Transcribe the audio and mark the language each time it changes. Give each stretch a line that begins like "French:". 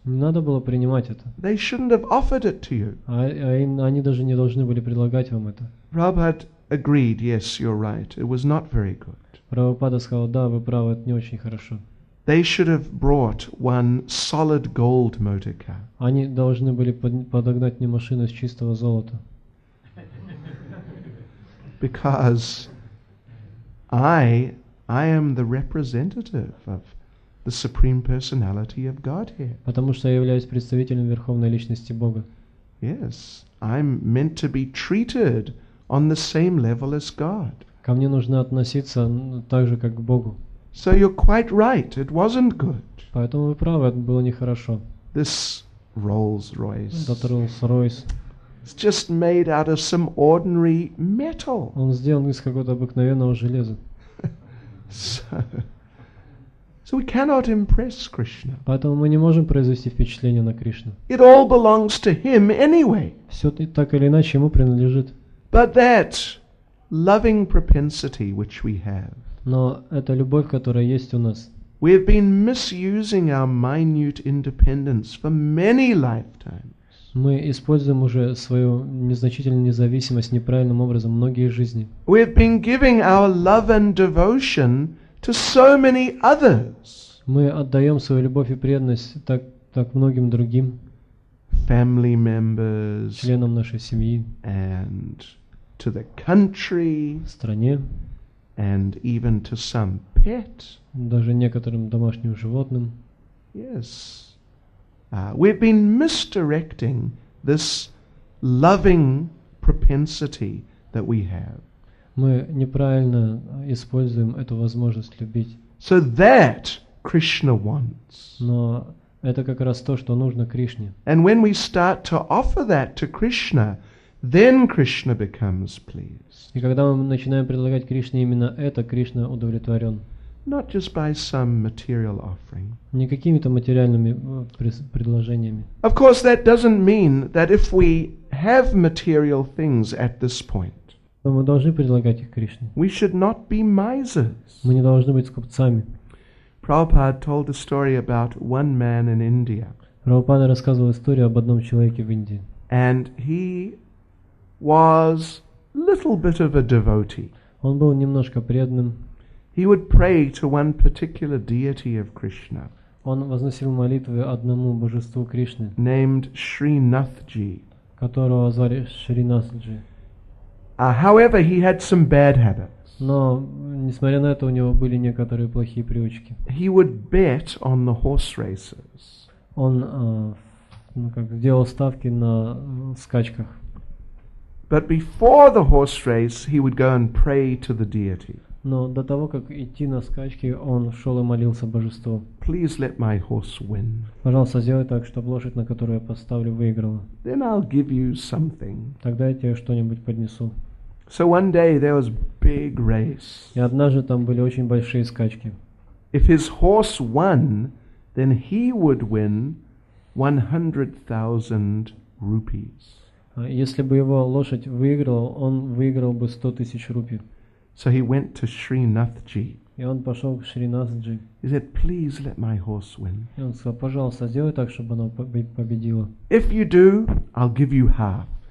Russian: Не надо было принимать это.
English: They shouldn't have offered it to you.
Russian: Они даже не должны были предлагать вам это.
English: Prabhupada agreed, yes, you're right. It was not very good.
Russian: Прабхупада сказал, да, вы правы, это не очень хорошо.
English: They should have brought one solid gold motor car.
Russian: Они должны были подогнать мне машину из чистого золота.
English: Because I am the representative of the Supreme Personality of Godhead.
Russian: Потому что я являюсь представителем Верховной Личности Бога.
English: Yes, I'm meant to be treated on the same level as God.
Russian: Ко мне нужно относиться так же, как к Богу.
English: So you're quite right, it wasn't good.
Russian: Поэтому вы правы, это было нехорошо.
English: This Rolls-Royce.
Russian: Этот Rolls-Royce.
English: It's just made out of some ordinary metal.
Russian: Он сделан из какого-то обыкновенного железа.
English: So we cannot impress Krishna.
Russian: Поэтому мы не можем произвести впечатление на Кришну.
English: It all belongs to him anyway.
Russian: Все так или иначе ему принадлежит.
English: But that loving propensity which we have.
Russian: Но эта любовь, которая есть у нас.
English: We have been misusing our minute independence for many lifetimes.
Russian: Мы используем уже свою незначительную независимость неправильным образом многие жизни.
English: We have been giving our love and devotion to so many others.
Russian: Мы отдаем свою любовь и преданность так многим другим.
English: Family members.
Russian: Членам нашей семьи.
English: And to the country.
Russian: Стране.
English: And even to some pet.
Russian: Даже некоторым домашним животным.
English: Yes. We've been misdirecting this loving propensity that we have.
Russian: Мы неправильно используем эту возможность любить.
English: So that Krishna wants.
Russian: Но это как раз то, что нужно Кришне.
English: And when we start to offer that to Krishna, then Krishna becomes pleased.
Russian: И когда мы начинаем предлагать Кришне именно это, Кришна удовлетворен.
English: Not just by some material offering.
Russian: Не какими-то материальными предложениями.
English: Of course, that doesn't mean that if we have material things at this point,
Russian: мы должны предлагать их Кришне.
English: We should not be misers.
Russian: Мы не должны быть скупцами.
English: Prabhupada told a story about one man in India.
Russian: Прабхупада рассказывал историю об одном человеке в Индии.
English: And he was little bit of a devotee.
Russian: Он был немножко преданным.
English: He would pray to one particular deity of Krishna.
Russian: Он возносил молитвы одному божеству Кришны.
English: Named Srinathji.
Russian: Которого звали Шринатхи.
English: However, he had some bad habits.
Russian: Но несмотря на это у него были некоторые плохие привычки.
English: He would bet on the horse races.
Russian: Он делал ставки на скачках.
English: But before the horse race, he would go and pray to the deity.
Russian: Но до того, как идти на скачки, он шел и молился божеству.
English: Please let my horse win.
Russian: Пожалуйста, сделай так, чтобы лошадь, на которую я поставлю, выиграла.
English: Then I'll give you something.
Russian: Тогда я тебе что-нибудь поднесу.
English: So one day there was big race.
Russian: И однажды там были очень большие скачки.
English: If his horse won, then he would win 100,000 rupees.
Russian: Если бы его лошадь выиграла, он выиграл бы 100,000 рупий.
English: So he went to Srinathji.
Russian: И он пошел к Шринатхи.
English: He said, "Please let my horse win."
Russian: И он сказал, пожалуйста, сделай так, чтобы она победила.
English: If you do, I'll give you half.